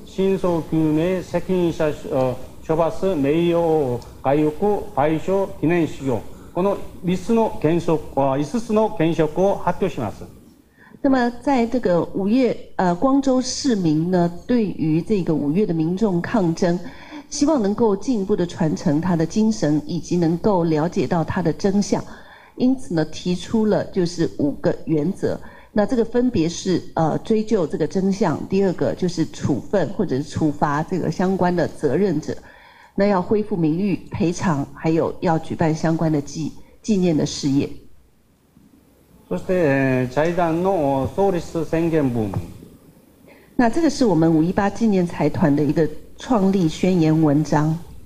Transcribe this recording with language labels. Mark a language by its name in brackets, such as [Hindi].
[Japanese] 真相究明責任者処罰名誉外遇賠償記念事業、この5つの原則を発表します。 [Chinese] 那么在这个五月光州市民呢对于这个五月的民众抗争，希望能够进一步的传承他的精神，以及能够了解到他的真相，因此呢提出了就是五个原则。那这个分别是追究这个真相，第二个就是处分或者是处罚这个相关的责任者，那要恢复名誉赔偿，还有要举办相关的纪念的事业。 [Japanese] そして財団の創立宣言文。 [Chinese] 那这个是我们五一八纪念财团的一个创立宣言文章。